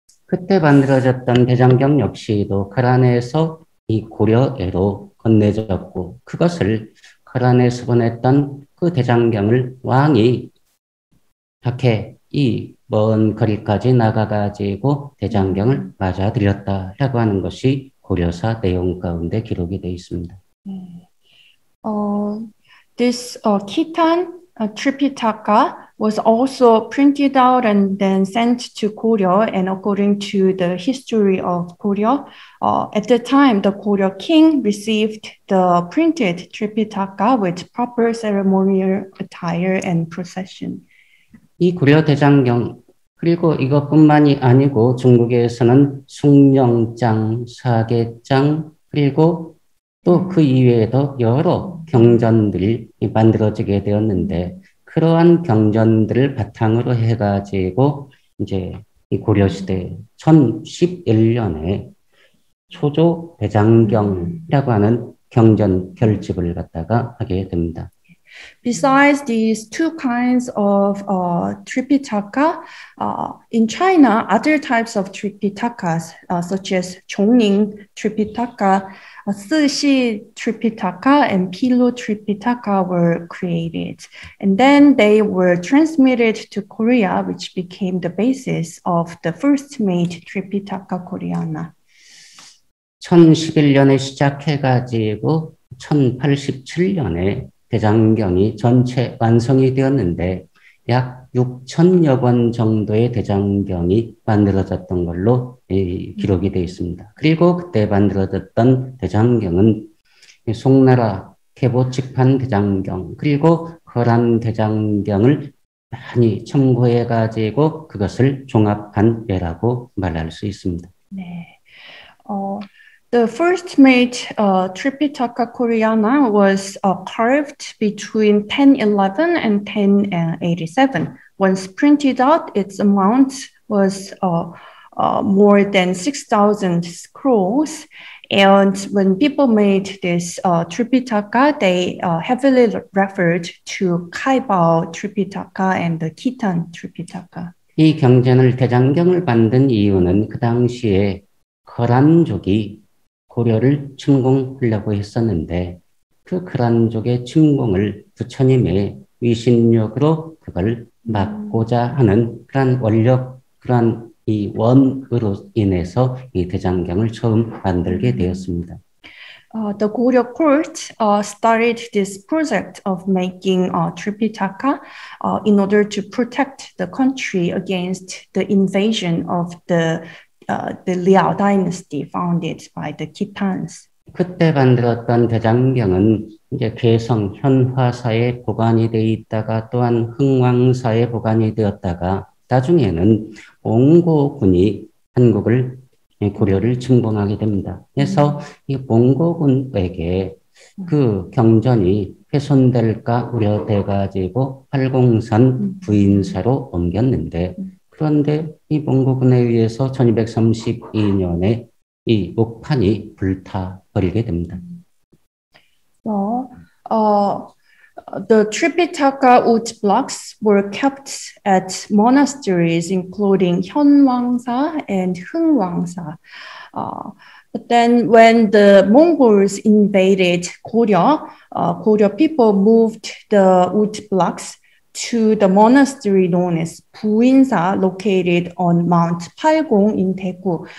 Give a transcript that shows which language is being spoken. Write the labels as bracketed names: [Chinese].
[Korean] 그때 만들어졌던 대장경 역시도 허란에서 이 고려에로 건네졌고 그것을 허란에서 보냈던 그 대장경을 왕이 박해 이 먼 거리까지 나가가지고 대장경을 맞아들였다라고 하는 것이 고려사 내용 가운데 기록이 되어 있습니다. [English] This Kitan Tripitaka was also printed out and then sent to Korea, and according to the history of Korea, at the time the Korea king received the printed Tripitaka with proper ceremonial attire and procession. [Korean] 이 고려 대장경 그리고 이것뿐만이 아니고 중국에서는 숭령장, 사계장 그리고 또 그 이외에도 여러 경전들이 만들어지게 되었는데 그러한 경전들을 바탕으로 해가지고 이제 이 고려 시대 1011년에 초조 대장경이라고 하는 경전 결집을 갖다가 하게 됩니다. [English] Besides these two kinds of Tripitaka, in China, other types of Tripitakas, such as Zhongning Tripitaka, Sishi Tripitaka, and Pilu Tripitaka were created. And then they were transmitted to Korea, which became the basis of the first made Tripitaka Koreana. [Korean] 1011년에 시작해가지고 1087년에 대장경이 전체 완성이 되었는데 약 6천여 권 정도의 대장경이 만들어졌던 걸로 기록이 되어 있습니다. 그리고 그때 만들어졌던 대장경은 송나라 개보직판 대장경 그리고 허란 대장경을 많이 참고해가지고 그것을 종합한 예라고 말할 수 있습니다. 네. [English] The first made Tripitaka Koreana was carved between 1011 and 1087. Once printed out, its amount was more than 6,000 scrolls. And when people made this Tripitaka, they heavily referred to Kaiba Tripitaka and the Kitan Tripitaka. [Korean] 이 경전을 대장경을 만든 이유는 그 당시에 허란족이 고려를 침공하려고 했었는데 그 그란족의 침공을 부처님의 위신력으로 그걸 막고자 하는 그런 원력, 그런 이 원으로 인해서 이 대장경을 처음 만들게 되었습니다. [English] The Goryeo court started this project of making Tripitaka in order to protect the country against the invasion of the Liao dynasty founded by the Kitans. [Korean] 그때 만들었던 대장경은 이제 개성 현화사에 보관이 돼 있다가 또한 흥왕사에 보관이 되었다가 나중에는 몽고군이 한국을 고려를 침공하게 됩니다. 그래서 이 몽고군에게 그 경전이 훼손될까 우려돼 가지고 팔공산 부인사로 옮겼는데 그런데 이 몽고군에 의해서 1232년에 이 목판이 불타버리게 됩니다. [English] Well, The Tripitaka wood blocks were kept at monasteries, including Hyeonwangsa and Heungwangsa. But then when the Mongols invaded Goryeo, Goryeo people moved the wood blocks to the monastery known as Buinsa, located on Mount Palgong in Daegu.